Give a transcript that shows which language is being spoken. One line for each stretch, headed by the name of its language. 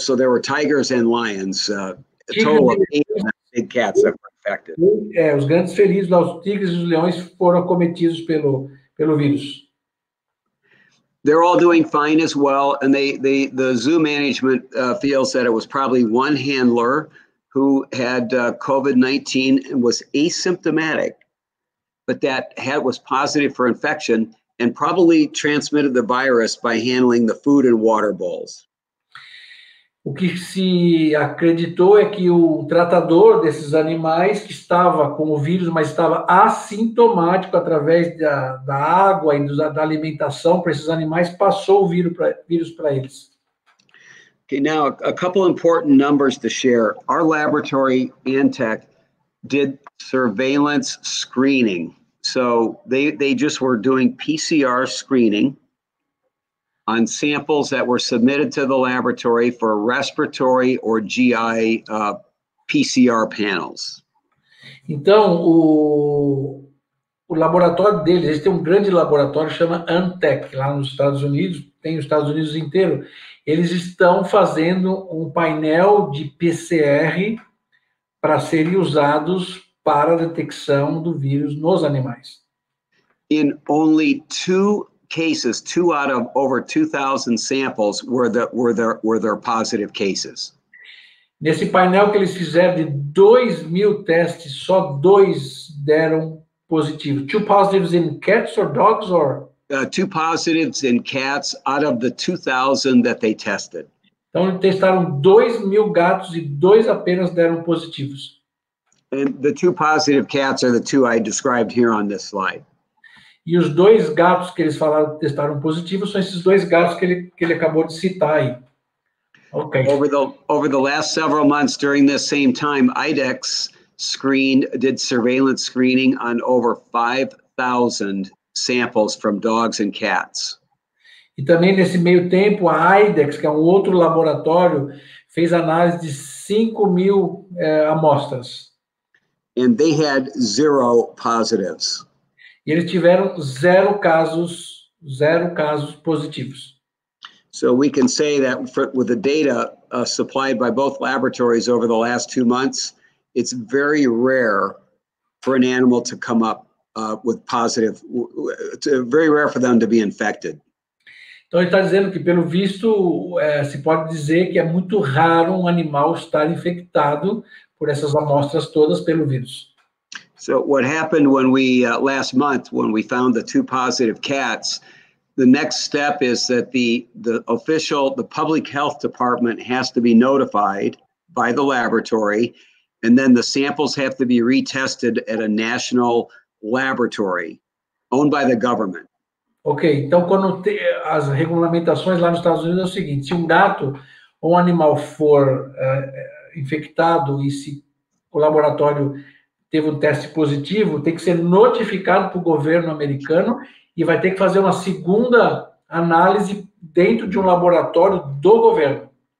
English: So there were tigers and lions, a total of 8 big cats that were infected.
Portuguese: Os grandes felinos, os tigres e os leões foram acometidos pelo vírus.
English: They're all doing fine as well, and the zoo management feels that it was probably one handler who had COVID-19 and was asymptomatic, but that was positive for infection and probably transmitted the virus by handling the food and water bowls.
Portuguese: O que se acreditou é que o tratador desses animais, que estava com o vírus, mas estava assintomático através da água e da alimentação para esses animais, passou o vírus para eles.
English: Okay, now a couple important numbers to share. Our laboratory, Antec, did surveillance screening. So they just were doing PCR screening on samples that were submitted to the laboratory for respiratory or GI PCR panels.
Portuguese: Então, O laboratório deles, eles têm um grande laboratório, chama Antec, lá nos Estados Unidos, tem os Estados Unidos inteiro. Eles estão fazendo um painel de PCR para serem usados para a detecção do vírus nos animais.
English: In only two cases, two out of over 2,000 samples were there positive cases.
Portuguese: Nesse painel que eles fizeram de 2 mil testes, só dois deram positivo.
English: Two positives in cats or dogs or? Two positives in cats out of the 2,000 that they tested.
Portuguese: Então, testaram 2 mil gatos e dois apenas deram positivos.
English: And the two positive cats are the two I described here on this slide.
Portuguese: E os dois gatos que eles falaram que testaram positivos são esses dois gatos que ele acabou de citar aí.
English: Okay. Over the last several months, during this same time, IDEX did surveillance screening on over 5,000 samples from dogs and cats.
Portuguese: E também nesse meio tempo, a IDEX, que é um outro laboratório, fez análise de 5 mil amostras.
English: And they had zero positives.
Portuguese: E eles tiveram zero casos positivos.
English: So we can say that with the data supplied by both laboratories over the last 2 months, it's very rare for an animal to come up with positive, it's very rare for them to be infected.
Portuguese: Então ele está dizendo que, pelo visto, se pode dizer que é muito raro um animal estar infectado por essas amostras todas pelo vírus.
English: So what happened when we, last month, when we found the two positive cats, the next step is that the public health department has to be notified by the laboratory, and then the samples have to be retested at a national laboratory owned by the government.
Portuguese: Okay, então quando as regulamentações lá nos Estados Unidos é o seguinte: se um gato ou um animal for infectado e se o laboratório teve um teste positivo, tem que ser notificado para o governo americano e vai ter que fazer uma segunda análise dentro de um laboratório do governo.